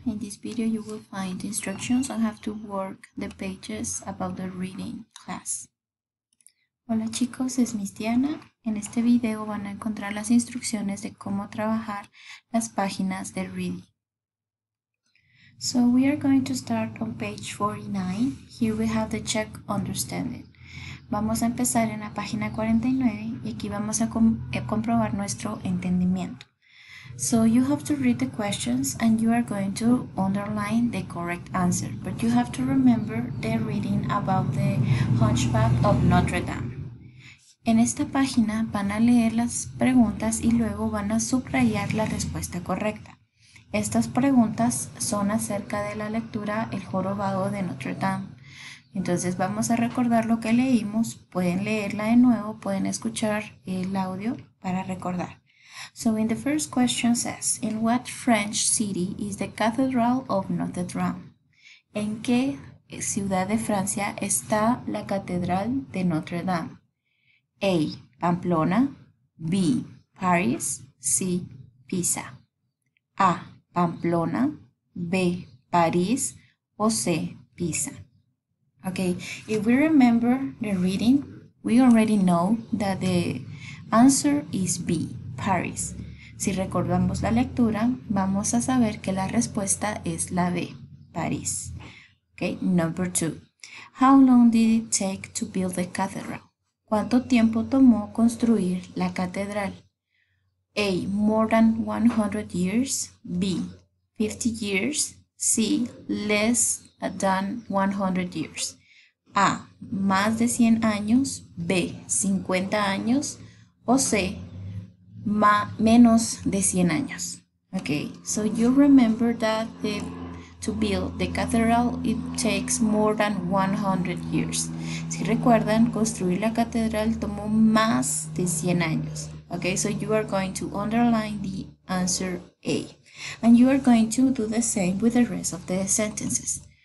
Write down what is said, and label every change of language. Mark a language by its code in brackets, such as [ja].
[en] In this video, you will find instructions on how to work the pages about the reading class. [es] Hola chicos, es Miss Diana. En este video van a encontrar las instrucciones de cómo trabajar las páginas de reading. [en] So we are going to start on page 49. Here we have the check understanding. [es] Vamos a empezar en la página 49 y aquí vamos a comprobar nuestro entendimiento. [en] So you have to read the questions and you are going to underline the correct answer. But you have to remember the reading about the Hunchback of Notre Dame. [es] En esta página van a leer las preguntas y luego van a subrayar la respuesta correcta. Estas preguntas son acerca de la lectura El Jorobado de Notre Dame. Entonces vamos a recordar lo que leímos. Pueden leerla de nuevo, pueden escuchar el audio para recordar. [en] So in the first question says, in what French city is the Cathedral of Notre Dame? [es] ¿En qué ciudad de Francia está la Catedral de Notre Dame? A. Pamplona. B. Paris. C. Pisa. A. Pamplona. B. París. O C. Pisa. [en] Okay, if we remember the reading, we already know that the answer is B. Paris. [es] Si recordamos la lectura, vamos a saber que la respuesta es la B, París. [en] Okay, number two. How long did it take to build the cathedral? [es] ¿Cuánto tiempo tomó construir la catedral? A. [en] More than 100 years. B. 50 years. C. Less than 100 years. A. [es] Más de 100 años. B. 50 años. O C. Menos de 100 años. [en] Okay, so you remember that to build the cathedral it takes more than 100 years. [es] Si recuerdan, construir la catedral tomó más de 100 años. [en] Okay, so you are going to underline the answer A. And you are going to do the same with the rest of the sentences.